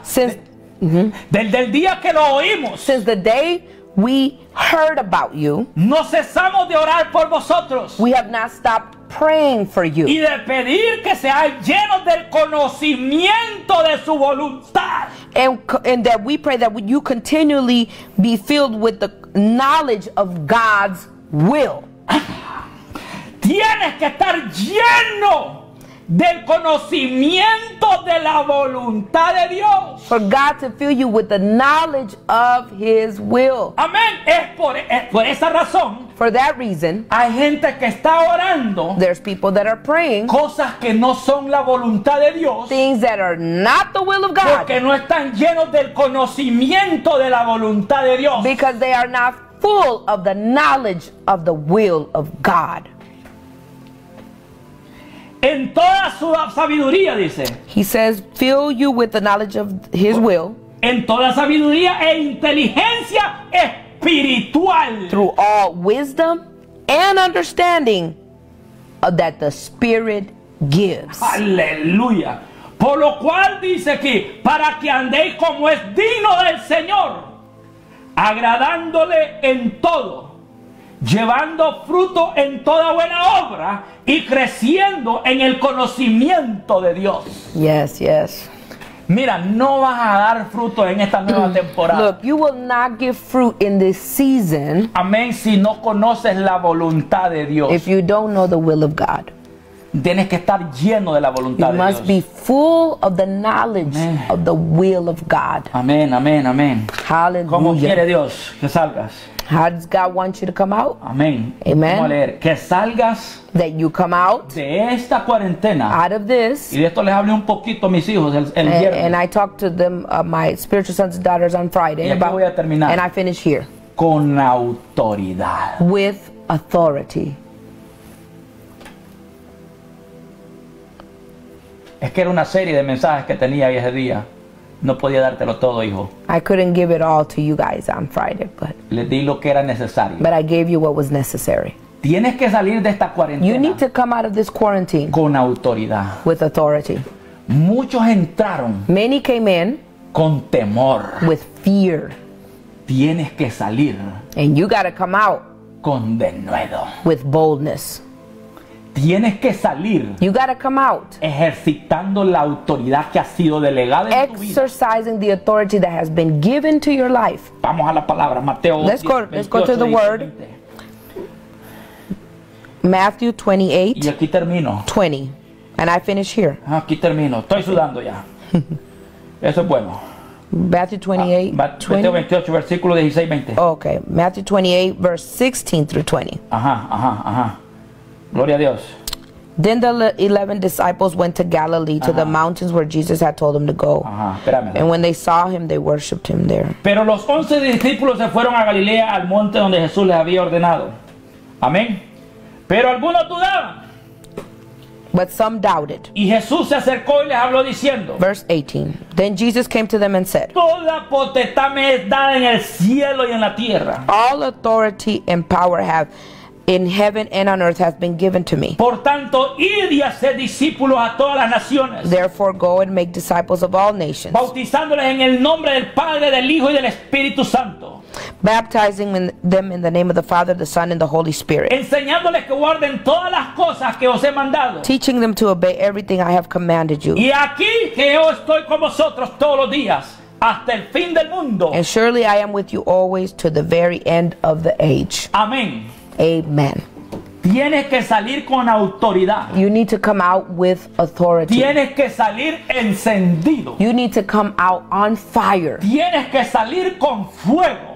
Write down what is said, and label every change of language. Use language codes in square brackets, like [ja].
[en] Since [es] del día que lo oímos. [en] Since the day we heard about you. [es] No cesamos de orar por vosotros. [en] We have not stopped praying for you. [es] Y de pedir que seáis llenos del conocimiento de su voluntad. [en] And that we pray that you continually be filled with the knowledge of God's will. [es] Tienes que estar lleno del conocimiento de la voluntad de Dios. [en] For God to fill you with the knowledge of His will. [es] Amén. Es por esa razón. [en] For that reason, [es] hay gente que está orando. [en] There's people that are praying. [es] Cosas que no son la voluntad de Dios. [en] Things that are not the will of God. [es] Porque no están llenos del conocimiento de la voluntad de Dios. [en] Because they are not full of the knowledge of the will of God. [es] En toda su sabiduría, dice. [en] He says, fill you with the knowledge of His will. [es] En toda sabiduría e inteligencia espiritual. [en] Through all wisdom and understanding that the Spirit gives. [es] Aleluya. Por lo cual dice aquí, para que andéis como es digno del Señor, agradándole en todo. Llevando fruto en toda buena obra y creciendo en el conocimiento de Dios. [en] Yes, yes. [es] Mira, no vas a dar fruto en esta nueva temporada. [en] Look, you will not give fruit in this season. [es] Amén, si no conoces la voluntad de Dios. [en] If you don't know the will of God. [es] Tienes que estar lleno de la voluntad de Dios. [en] You must be full of the knowledge of the will of God. [es] Amén, amén, amén. [en] Hallelujah. [es] Como quiere Dios que salgas. [en] How does God want you to come out? [es] Amen. [en] Amen. [es] Que salgas. [en] That you come out. [es] De esta cuarentena. [en] Out of this. [es] Y de esto les hablé un poquito a mis hijos el viernes. [en] And I talked to them, my spiritual sons and daughters on Friday. [es] Y aquí voy a terminar. [en] And I finish here. [es] Con autoridad. [en] With authority. [es] Es que era una serie de mensajes que tenía ese día. No podía dártelo todo, hijo. [en] I couldn't give it all to you guys on Friday, but. [es] Le di lo que era necesario. [en] But I gave you what was necessary. [es] Tienes que salir de esta cuarentena. [en] You need to come out of this quarantine. [es] Con autoridad. [en] With authority. [es] Muchos entraron. [en] Many came in. [es] Con temor. [en] With fear. [es] Tienes que salir. [en] And you gotta come out. [es] Con denuedo. [en] With boldness. [es] Tienes que salir. [en] You gotta come out. [es] Ejercitando la autoridad que ha sido delegada en tu vida. [en] Exercising the authority that has been given to your life. [es] Vamos a la palabra, Mateo. [en] Let's go to the word. Matthew 28. [es] Y aquí termino. [en] 20. And I finish here. [es] Aquí termino. Estoy sudando ya. Eso es bueno. [en] Matthew 28, [es] versículo 16, 20. [en] Okay. Matthew 28, verse 16 through 20. [es] Ajá. Gloria a Dios. [en] Then the 11 disciples went to Galilee, to the mountains where Jesus had told them to go. And when they saw him, they worshipped him there. [es] Pero los 11 discípulos se fueron a Galilea, al monte donde Jesús les había ordenado. Amén. Pero algunos dudaban. [en] But some doubted. [es] Y Jesús se acercó y les habló diciendo. [en] Verse 18. Then Jesus came to them and said. [es] Toda potestad me es dada en el cielo y en la tierra. [en] All authority and power have in heaven and on earth has been given to me. [es] Por tanto, id y haced discípulos a todas las naciones. [en] Therefore, go and make disciples of all nations. [es] Bautizándoles en el nombre del Padre, del Hijo y del Espíritu Santo. [en] Baptizing them in the name of the Father, the Son, and the Holy Spirit. [es] Enseñándoles que guarden todas las cosas que os he mandado. [en] Teaching them to obey everything I have commanded you. [es] Y aquí que yo estoy con vosotros todos los días. Hasta el fin del mundo. [en] And surely I am with you always to the very end of the age. [es] Amén. [en] Amen. [es] Tienes que salir con autoridad. [en] You need to come out with authority. [es] Tienes que salir encendido. [en] You need to come out on fire. [es] Tienes que salir con fuego.